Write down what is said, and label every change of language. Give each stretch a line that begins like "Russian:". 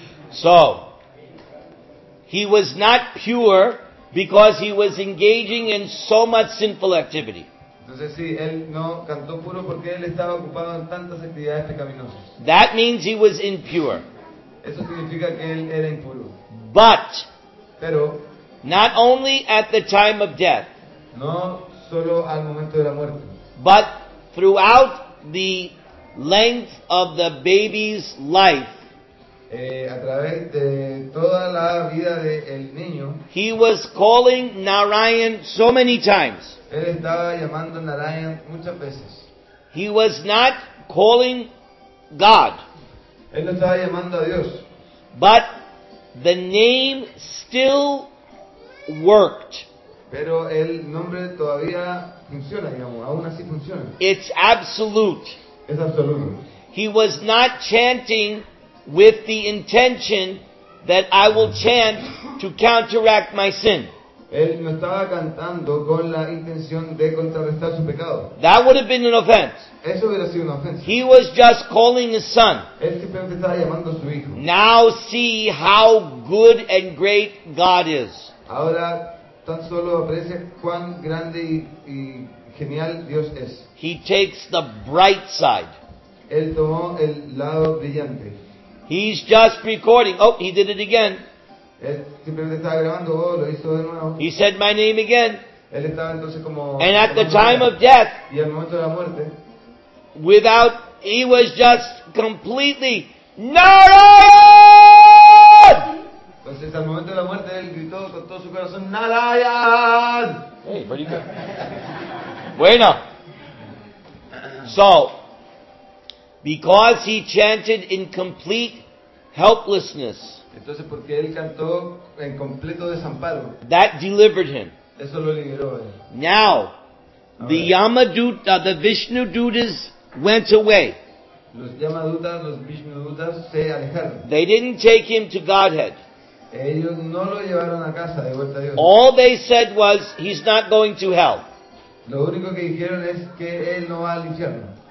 English: So, he was not pure because he was engaging in so much sinful activity.
Spanish: Entonces, sí, él no cantó puro porque él estaba ocupado en tantas actividades pecaminosas.
English: That means he was impure.
Spanish: Eso significa que él era impuro.
English: But,
Spanish: pero,
English: not only at the time of death,
Spanish: no solo al momento de la muerte,
English: but throughout the length of the baby's life,
Spanish: a través de toda la vida de el niño,
English: he was calling Narayan so many times.
Spanish: Él estaba llamando a Narayan muchas veces.
English: He was not calling God.
Spanish: Él no estaba llamando a Dios.
English: But the name still worked.
Spanish: Pero el nombre todavía funciona, digamos, aún así funciona.
English: It's absolute.
Spanish: Es absoluto.
English: He was not chanting with the intention that I will chant to counteract my sin.
Spanish: Él no estaba cantando con la intención de contrarrestar su pecado.
English: That would have been an offense.
Spanish: Eso hubiera sido una ofensa.
English: He was just calling his son.
Spanish: Él simplemente estaba llamando a su hijo.
English: Now see how good and great God is.
Spanish: Ahora tan solo aprecia cuán grande y genial Dios es.
English: He takes the bright side.
Spanish: Él tomó el lado brillante.
English: He's just recording. Oh, he did it again.
Spanish: Él simplemente estaba grabando. Oh, lo hizo de nuevo.
English: He said my name again.
Spanish: Él estaba entonces como.
English: And at the time of death.
Spanish: Y al momento de la muerte.
English: Without, he was just completely Narayan.
Spanish: Entonces, al momento de la muerte, él gritó con todo su corazón, ¡Narayan!
English: Hey, pretty good. Bueno. So, because he chanted in complete helplessness,
Spanish: entonces, porque él cantó en completo desamparo,
English: that delivered him.
Spanish: Eso lo liberó.
English: Now, the Yamaduta, the Vishnu Dutas, went away.
Spanish: Los Yamadutas, los Vishnu Dutas, se alejaron.
English: They didn't take him to Godhead.
Spanish: Ellos no lo llevaron a casa de vuelta a Dios.
English: All they said was, he's not going to hell.
Spanish: Lo único que dijeron es que él no va al infierno.